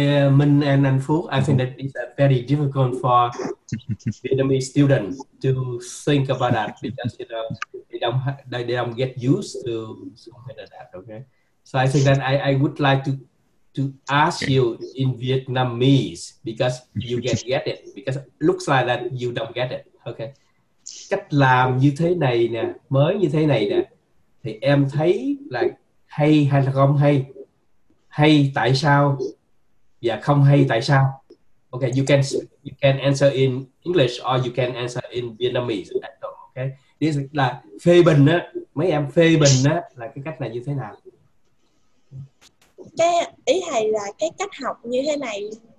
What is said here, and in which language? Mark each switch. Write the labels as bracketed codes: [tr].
[en] Minh and Anh Phúc, I think that it's very difficult for Vietnamese students to think about that because, you know, they don't get used to something like that. Okay. So I think that I would like to. To ask okay. you in Vietnamese because you can get it because it looks like that you don't get it. Okay. [vi] Cách làm như thế này nè, mới như thế này nè, thì em thấy là hay hay là không hay? Hay tại sao? Và không hay tại sao? [en] Okay, you can answer in English or you can answer in Vietnamese. Okay. [vi] This là phê bình á, mấy em phê bình á là cái cách này như thế nào? Cái ý thầy là cái cách học như thế này